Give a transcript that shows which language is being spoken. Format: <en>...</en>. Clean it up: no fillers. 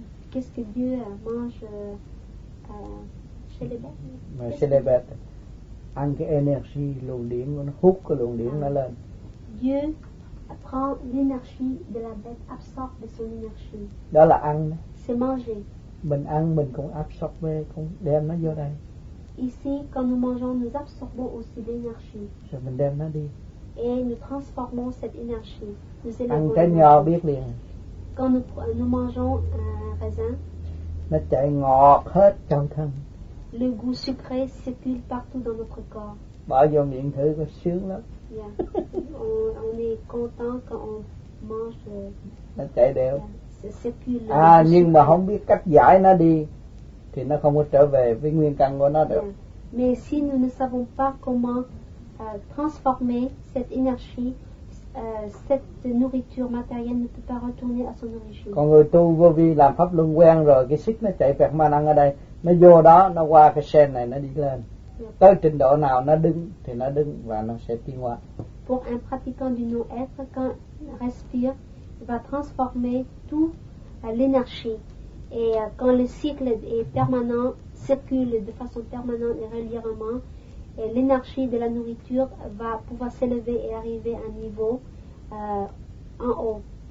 <fr>Qu'est-ce que Dieu mange chez les bêtes? Mà chez les bêtes.</fr> <vi>Ăn cái énergie, luồng điện, nó hút cái luồng điện nó lên.</vi> <fr>Dieu prend l'énergie de la bête, absorbe de son énergie.</fr> <vi>Đó là ăn.</vi> <fr>C'est manger.</fr> <vi>Mình ăn, mình cũng absorbe, cũng đem nó vô đây.</vi> <fr>Ici, quand nous mangeons, nous absorbons aussi l'énergie.</fr> <vi>Rồi mình đem nó đi.</vi> <fr>Et nous transformons cette énergie. Nous</fr> <vi>ăn cái nho biết liền.</vi> <fr>Quand nous mangeons un raisin,</fr> <vi>nó chạy ngọt hết trong thân.</vi> <fr>Le goût sucré circule partout dans notre corps.</fr> <vi>Bỏ vô miệng thử có sướng lắm.</vi> <fr>Yeah. On est content quand on mange.</fr> <vi>Nó chạy đều.</vi> <fr>Yeah. Circule.</fr> <vi>À nhưng sucré. Mà không biết cách giải nó đi thì nó không có trở về với nguyên căn của nó được. Yeah.</vi> <fr>Mais si nous ne savons pas comment transformer cette énergie, cette nourriture matérielle ne peut pas retourner à son origine.</fr> <vi>Còn người tu vô vi làm pháp luân quen rồi, cái xích nó chạy vẹt ma năng ở đây. Nó vô đó, nó qua cái sen này, nó đi lên. Tới trình độ nào nó đứng thì nó đứng và nó sẽ tiến hóa.</vi> <fr>Pour un pratiquant du non-être, quand il respire, il va transformer tout l'énergie. Et quand le cycle est permanent, circule de façon permanente et régulièrement, et l'énergie de la nourriture va pouvoir s'élever et arriver à un niveau en haut.</fr>